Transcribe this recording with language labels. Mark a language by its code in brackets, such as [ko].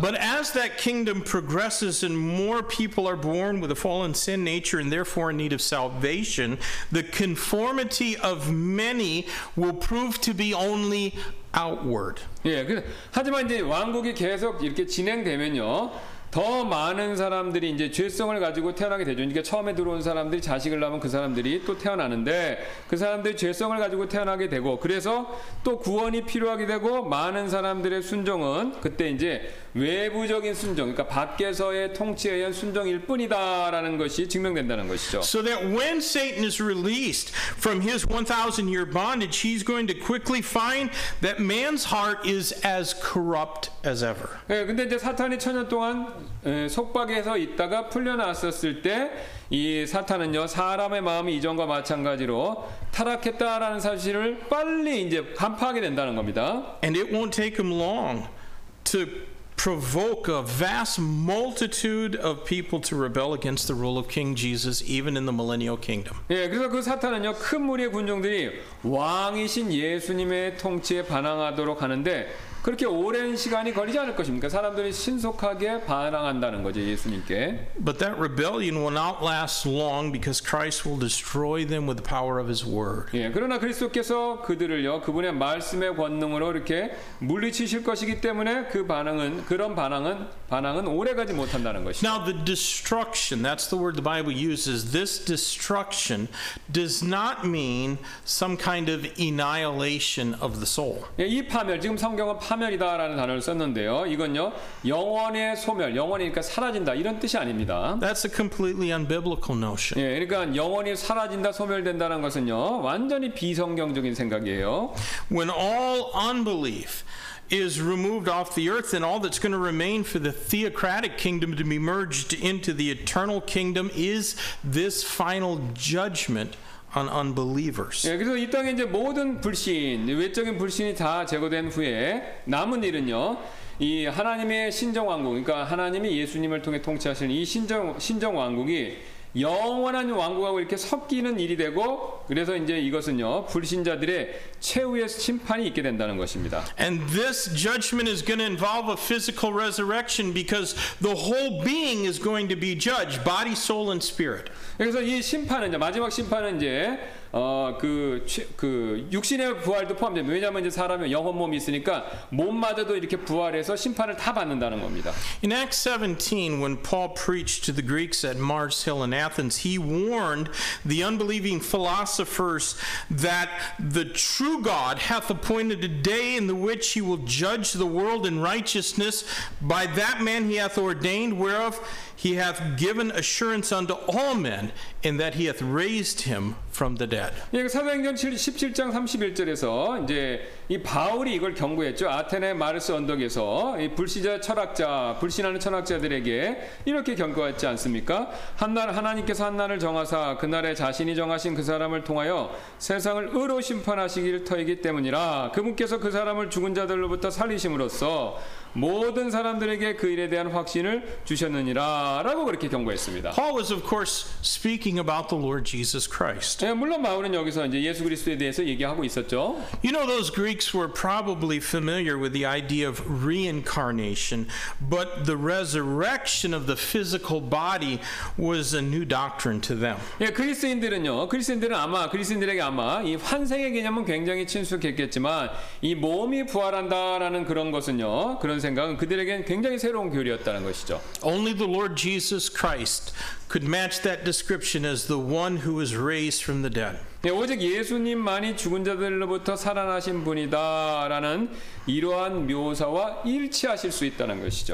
[en] But as that kingdom progresses and more people are born with a fallen sin nature and therefore in need of salvation, the conformity of many will prove to be only outward. [ko] 예, 그, 하지만 이제 왕국이 계속 이렇게 진행되면요, 더 많은 사람들이 이제 죄성을 가지고 태어나게 되죠. 그러니까 처음에 들어온 사람들이 자식을 낳으면 그 사람들이 또 태어나는데 그 사람들이 죄성을 가지고 태어나게 되고 그래서 또 구원이 필요하게 되고 많은 사람들의 순종은 그때 이제 외부적인 순종, 그러니까 밖에서의 통치에 의한 순종일 뿐이다라는 것이 증명된다는 것이죠. [en] So that when Satan is released from his 1,000 year bondage, he's going to quickly find that man's heart is as corrupt as ever. [ko] 예, 근데 이제 사탄이 천년 동안 속박에서 있다가 풀려났었을 때 이 사탄은요 사람의 마음이 이전과 마찬가지로 타락했다라는 사실을 빨리 이제 간파하게 된다는 겁니다. [en] And it won't take him long to provoke a vast multitude of people to rebel against the rule of King Jesus even in the millennial kingdom. [ko] 예, 그래서 그 사탄은요 큰 무리의 군중들이 왕이신 예수님의 통치에 반항하도록 하는데 그렇게 오랜 시간이 걸리지 않을 것입니까? 사람들이 신속하게 반항한다는 거죠, 예수님께. [en] But that rebellion will not last long because Christ will destroy them with the power of his word. [ko] 예, 그러나 그리스도께서 그들을요, 그분의 말씀의 권능으로 이렇게 물리치실 것이기 때문에 그 반항은 그런 반항은 반항은 오래 가지 못한다는 것이죠. [en] Now the destruction, that's the word the Bible uses. This destruction does not mean some kind of annihilation of the soul. [ko] 예, 이 파멸 지금 성경은 파멸이다라는 단어를 썼는데요. 이건요, 영혼의 소멸, 영혼이니까 사라진다 이런 뜻이 아닙니다. [en] That's a completely unbiblical notion. [ko] 예, 그러니까 영혼이 사라진다, 소멸된다는 것은요, 완전히 비성경적인 생각이에요. [en] When all unbelief is removed off the earth, and all that's going to remain for the theocratic kingdom to be merged into the eternal kingdom is this final judgment on unbelievers. [ko] 예, 그래서 이 땅에 이제 모든 불신, 외적인 불신이 다 제거된 후에 남은 일은요, 이 하나님의 신정 왕국, 그러니까 하나님이 예수님을 통해 통치하시는 이 신정 왕국이 영원한 왕국하고 이렇게 섞이는 일이 되고 그래서 이제 이것은요 불신자들의 최후의 심판이 있게 된다는 것입니다. [en] And this judgment is going to involve a physical resurrection because the whole being is going to be judged, body, soul, and spirit. [ko] 그래서 이 심판은 이제 마지막 심판은 이제 그 육신의 부활도 포함됩니다. 왜냐하면 이제 사람은 영혼 몸이 있으니까 몸마저도 이렇게 부활해서 심판을 다 받는다는 겁니다. [en] In Acts 17, when Paul preached to the Greeks at Mars Hill in Athens, he warned the unbelieving philosophers that the true God hath appointed a day in the which he will judge the world in righteousness by that man he hath ordained, whereof he hath given assurance unto all men, in that he hath raised him from the dead. [ko] 예, 사도행전 17장 31절에서 이제 이 바울이 이걸 경고했죠. 아테네 마르스 언덕에서 이 불신자 철학자, 불신하는 철학자들에게 이렇게 경고했지 않습니까? 한날 하나님께서 한날을 정하사 그날에 자신이 정하신 그 사람을 통하여 세상을 의로 심판하시기를 터이기 때문이라 그분께서 그 사람을 죽은 자들로부터 살리심으로써 모든 사람들에게 그 일에 대한 확신을 주셨느니라라고 그렇게 경고했습니다. [en] Paul was of course speaking about the Lord Jesus Christ. [ko] 예, 물론 바울은 여기서 이제 예수 그리스도에 대해서 얘기하고 있었죠. [en] You know those Greeks were probably familiar with the idea of reincarnation, but the resurrection of the physical body was a new doctrine to them. [ko] 예, 그리스인들은요. 그리스인들에게 아마 이 환생의 개념은 굉장히 친숙했겠지만 이 몸이 부활한다라는 그런 것은요. 그런 생각은 그들에게는 굉장히 새로운 교리였다는 것이죠. [en] Only the Lord Jesus Christ could match that description as the one who was raised from the dead. [ko] 네, 오직 예수님만이 죽은 자들로부터 살아나신 분이다라는 이러한 묘사와 일치하실 수 있다는 것이죠.